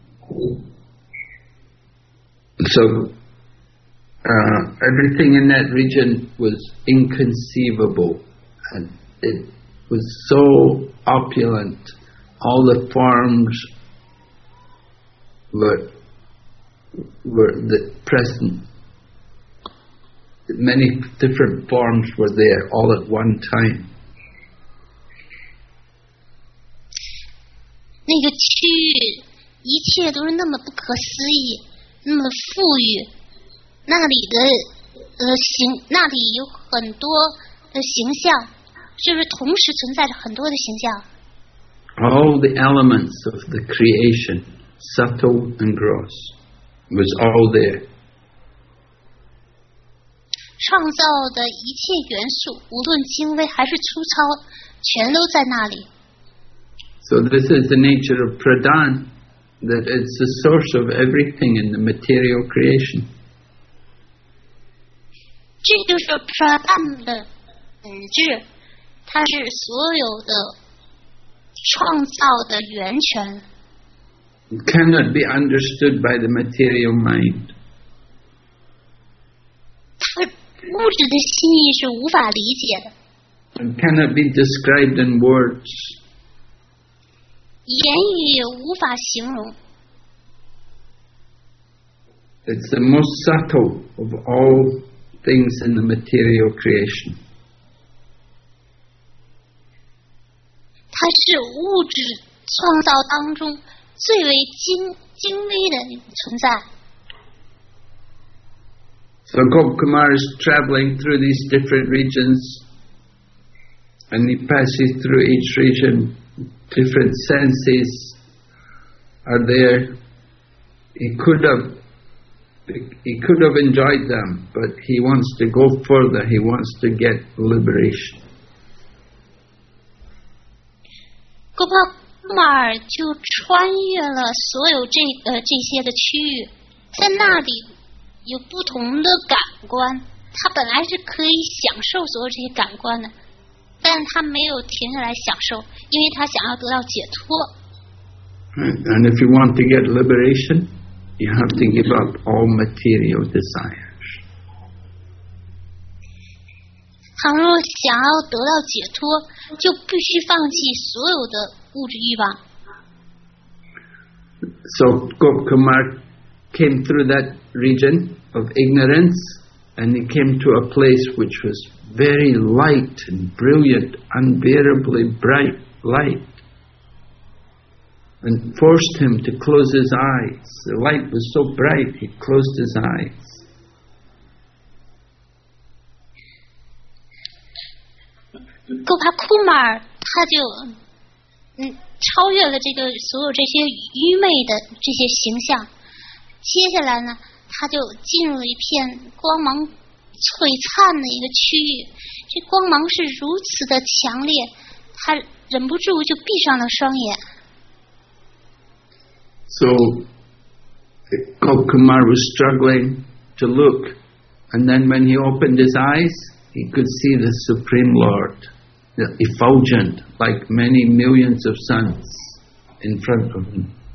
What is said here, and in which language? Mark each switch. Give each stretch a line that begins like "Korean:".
English: So, everything in that region was inconceivable, and it was so opulent. All the forms were the present. Many different forms were there all at one time.
Chinese: 那个区域，一切都是那么不可思议，那么富裕。那里的形，那里有很多的形象。就是同时存在着很多的形象。
English: All the elements of the creation, subtle and gross, was all there.
Chinese: 创造的一切元素，无论精微还是粗糙，全都在那里。
English: So this is the nature of pradhan, that it's the source of everything in the material creation.
Chinese: 这就是 pradhan 的本质。它是所有的创造的源泉。
English: It cannot be understood by the material mind.
Chinese: 它物质的心意是无法理解的。
English: It cannot be described in words.
Chinese: 言语也无法形容。
English: It's the most subtle of all things in the material creation.
Chinese: 它是物质创造当中最为精微的存在。
English: So Gop Kumar is traveling through these different regions, and he passes through each region. Different senses are there. He could have enjoyed them, but he wants to go further. He wants to get liberation.
Chinese: 戈巴库马尔就穿越了所有这些的区域，在那里有不同的感官。他本来是可以享受所有这些感官的，但他没有停下来享受，因为他想要得到解脱。
English: And if you want to get liberation, you have to give up all material desires.
Chinese: 倘若想要得到解脱，就必须放弃所有的。
English: So Gop Kumar came through that region of ignorance, and he came to a place which was very light and brilliant, unbearably bright light, and forced him to close his eyes. The light was so bright, he closed his eyes.
Chinese: Gopa Kumar 他就超越了这个所有这些愚昧的这些形象，接下来呢，他就进入一片光芒璀璨的一个区域，这光芒是如此的强烈，他忍不住就闭上了双眼。
English: So, Gopakumar was struggling to look, and then when he opened his eyes, he could see the Supreme Lord, effulgent like many millions of suns in front of him.